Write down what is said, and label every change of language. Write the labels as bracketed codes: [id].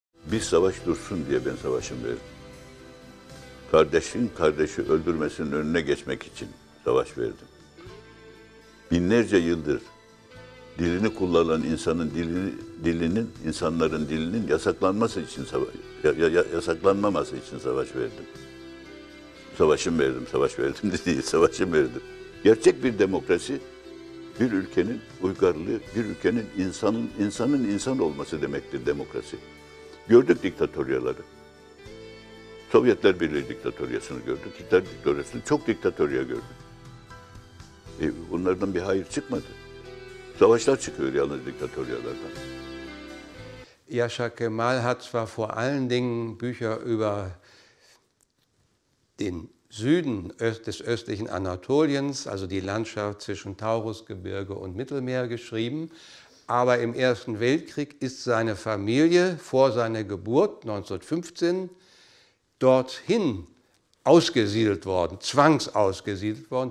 [tr] بی سواش دورسون دیه بین سواشم بیرد Kardeşin kardeşi öldürmesinin önüne geçmek için savaş verdim. Binlerce yıldır dilini kullanan insanın dilinin insanların dilinin yasaklanması için yasaklanmaması için savaş verdim. Savaşımı verdim. Gerçek bir demokrasi bir ülkenin uygarlığı, bir ülkenin insanın insan olması demektir demokrasi. Gördük diktatoryaları. Sovyetler Birliği diktatoryasını gördük, Hitler diktatoryasını çok diktatorya gördük. Bunlardan bir hayır çıkmadı. Savaşlar çıkıyor yalnız diktatoryalardan. [de] Yaşar Kemal hat zwar vor allen Dingen Bücher über den Süden des östlichen Anatoliens, also die Landschaft zwischen Taurusgebirge und Mittelmeer, geschrieben. Aber im Ersten Weltkrieg ist seine Familie vor seiner Geburt 1915 dorthin ausgesiedelt worden, zwangsausgesiedelt worden.